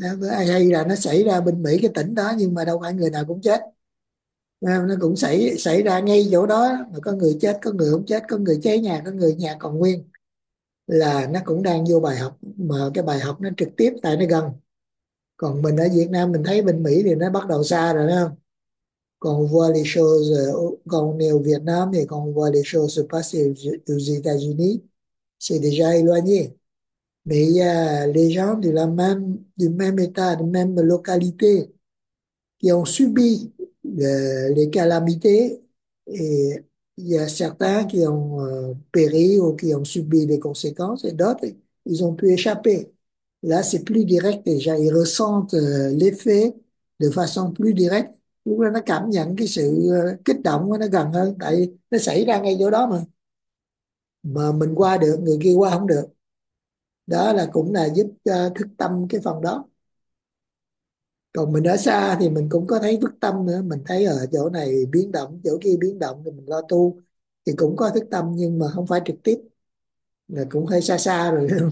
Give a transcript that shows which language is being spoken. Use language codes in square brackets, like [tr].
[vi] Hay là nó xảy ra bên Mỹ cái tỉnh đó nhưng mà đâu phải người nào cũng chết. Nó cũng xảy ra ngay chỗ đó mà có người chết, có người không chết, có người cháy nhà, có người nhà còn nguyên. Là nó cũng đang vô bài học mà cái bài học nó trực tiếp tại nó gần. Còn mình ở Việt Nam mình thấy bên Mỹ thì nó bắt đầu xa rồi đó. [fr] Còn voir les choses, [vi] còn nếu Việt Nam thì còn [fr] voir les choses passer aux États-Unis, c'est déjà éloigné. Mais il y a les gens de la même, du même état, de même localité, qui ont subi les calamités, et il y a certains qui ont péri ou qui ont subi des conséquences, et d'autres, ils ont pu échapper. Là, c'est plus direct déjà. Ils ressentent l'effet de façon plus directe. [vi] Lúc đó nó cảm nhận cái sự kích động nó gần hơn tại nó xảy ra ngay chỗ đó mà mình qua được người kia qua không được, đó là cũng là giúp thức tâm cái phần đó. Còn mình ở xa thì mình cũng có thấy thức tâm nữa, mình thấy ở chỗ này biến động chỗ kia biến động thì mình lo tu thì cũng có thức tâm nhưng mà không phải trực tiếp, là cũng hơi xa xa rồi.